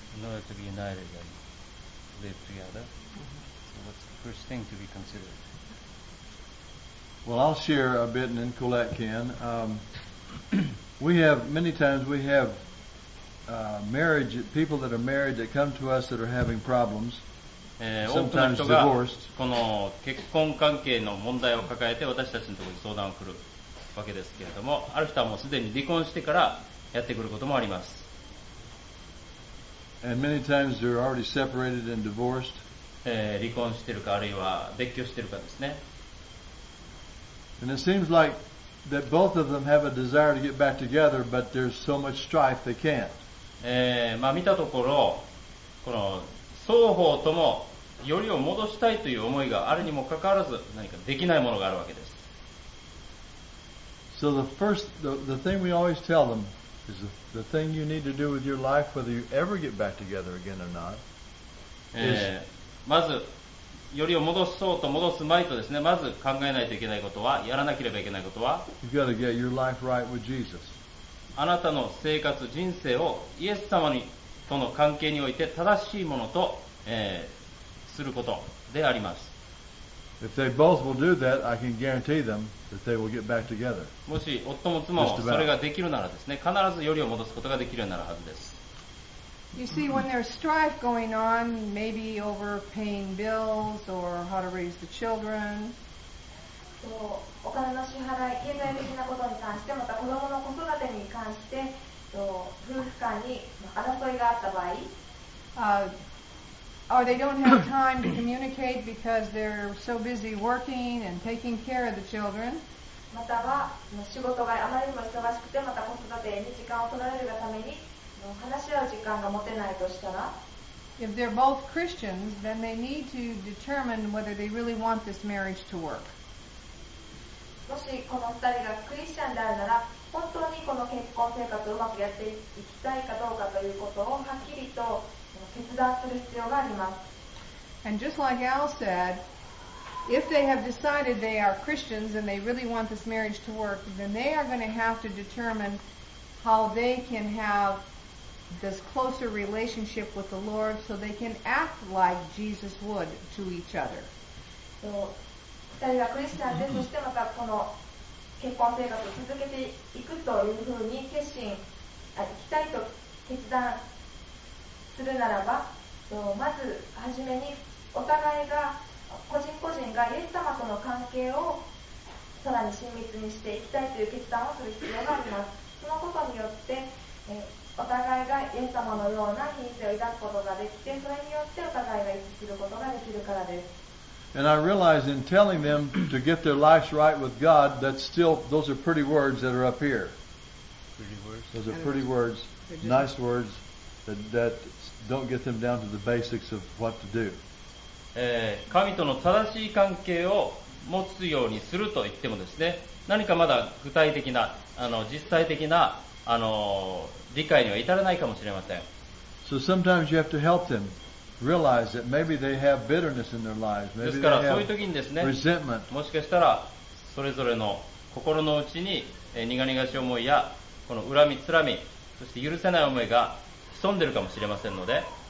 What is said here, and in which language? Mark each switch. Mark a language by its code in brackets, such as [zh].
[en] In order to be united and live together, mm-hmm. So what's the first thing to be considered? Well, I'll share a bit, and then Colette can. We have many times we have marriage people that are married that come to us that are having problems. Sometimes divorced. [ja] この結婚関係の問題を抱えて私たちのところに相談を来るわけですけれども、ある人はもうすでに離婚してからやってくることもあります。 [en] And many times they're already separated and divorced. [ja] 離婚してるかあるいは別居してるかですね。 [en] And it seems like that both of them have a desire to get back together, but there's so much strife they can't. [ja] まあ見たところ、この双方ともよりを戻したいという思いがあるにもかかわらず、何かできないものがあるわけです。 [en] So the first, the thing we always tell them is the thing you need to do with your life, whether you ever get back together again or not. [ja] まず、よりを戻そうと戻す前とですね、まず考えないといけないことは、やらなければいけないことは、 [en] You've got to get your life right with Jesus. [ja] あなたの生活、人生をイエス様にとの関係において正しいものと、することであります。 [en] If they both will do that, I can guarantee them that they will get back together. [ja] もし夫も妻もそれができるならですね、必ずよりを戻すことができるようになるはずです。 [en] You see, when there's strife going on, maybe over paying bills or how to raise the children. [ja] お金の支払い、経済的なことに関して、また子供の子育てに関して、夫婦間に争いがあった場合。 [en] Or they don't have time to communicate because they're so busy working and taking care of the children. [ja] または仕事があまりにも忙しくて、また子育てに時間を取られるがために、話し合う時間が持てないとしたら、 [en] If they're both Christians, then they need to determine whether they really want this marriage to work. [ja] もしこの2人がクリスチャンであるなら本当にこの結婚生活をうまくやっていきたいかどうかということをはっきりと決断する必要があります。 [en] And just like Al said, if they have decided they are Christians and they really want this marriage to work, then they are going to have to determine how they can haveThis closer relationship with the Lord so they can act like Jesus would to each other. [ja] So, 2人がクリスチャンで、そしてまたこの結婚生活を続けていくというふうに決心、行きたいと決断するならば、まずはじめにお互いが、個人個人がイエス様との関係をさらに親密にしていきたいという決断をする必要があります。そのことによって、お互いがイエス様のような品性を抱くことができて、それによってお互いが一致することができるからです。 [en] And I realize in telling them to get their lives right with God, that's still, those are pretty words that are up here. Pretty words. Those are pretty words, nice words that don't get them down to the basics of what to do. [ja] 神との正しい関係を持つようにすると言ってもですね、何かまだ具体的な、実際的な、理解には至らないかもしれません。 [en] So sometimes you have to help them realize that maybe they have bitterness in their lives. [ja] ですからそういう時にですね、 [en] resentment. [ja] もしかしたらそれぞれの心の内に苦々しい思いやこの恨み、つらみ、そして許せない思いが潜んでいるかもしれませんので。